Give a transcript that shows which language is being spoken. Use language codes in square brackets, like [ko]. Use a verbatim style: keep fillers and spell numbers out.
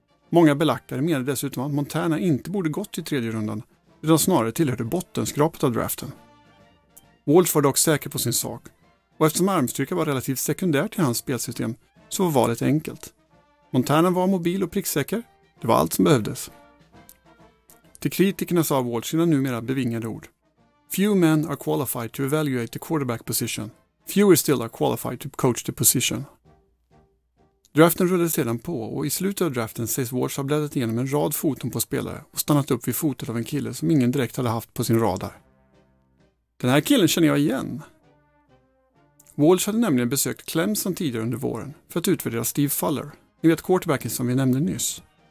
[sv] Många belackare menade dessutom att Montana inte borde gått i tredje rundan, utan snarare tillhörde bottenskrapet av draften. Walsh var dock säker på sin sak, och eftersom armstyrka var relativt sekundär till hans spelsystem så var valet enkelt. Montana var mobil och pricksäker, det var allt som behövdes. Till kritikerna sa Walsh sina numera bevingade ord. [en] Few men are qualified to evaluate the quarterback position. Fewer still are qualified to coach the position. [sv] Draften rullade sedan på och i slutet av draften sägs Walsh ha bläddrat igenom en rad foton på spelare och stannat upp vid fotot av en kille som ingen direkt hade haft på sin radar. Den här killen känner jag igen. Walsh hade nämligen besökt Clemson tidigare under våren för att utvärdera Steve Fuller, ni vet quarterbacken som vi nämnde nyss.